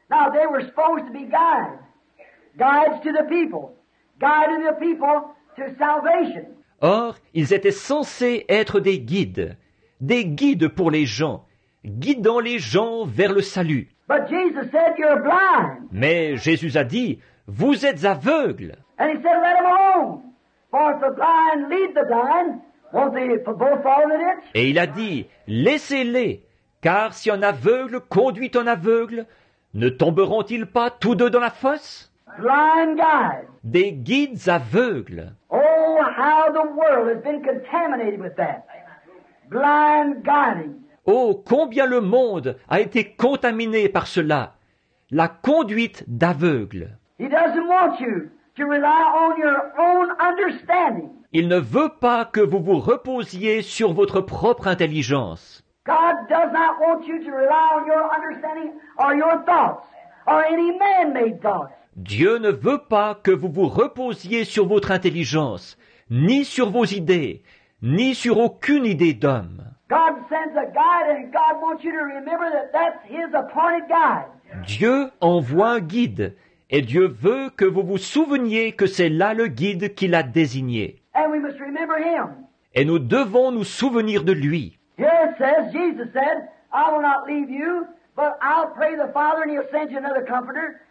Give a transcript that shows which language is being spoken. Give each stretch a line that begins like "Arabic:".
English: Now, they were supposed to be guides. Guides to the people. Guiding the people to salvation.
French: Or, ils étaient censés être des guides pour les gens, guidant les gens vers le salut.
English: But Jesus said, you're blind.
French: Mais Jésus a dit, vous êtes aveugles.
English: And he said, let them alone, for if the blind lead the blind, won't they both fall in it?
French: Et il a dit, laissez-les, car si un aveugle conduit un aveugle, ne tomberont-ils pas tous deux dans la fosse?
English: Blind guides.
French: Des guides aveugles.
English: Oh, how the world has been contaminated with that. Blind guiding.
French: Oh, combien le monde a été contaminé par cela. La conduite d'aveugles.
English: He doesn't want you to rely on your own understanding.
French: Il ne veut pas que vous vous reposiez sur votre propre intelligence.
English: God does not want you to rely on your understanding or your thoughts or any man-made thoughts.
French: Dieu ne veut pas que vous vous reposiez sur votre intelligence, ni sur vos idées, ni sur aucune idée d'homme.
English: God sends a guide and God wants you to remember that that's his appointed guide.
French: Dieu envoie un guide et Dieu veut que vous vous souveniez que c'est là le guide qu'il a désigné.
English: And we must remember him.
French: Et nous devons nous souvenir de lui.
English: Here it says, Jesus said, I will not leave you, but I'll pray the Father and he'll send you another comforter.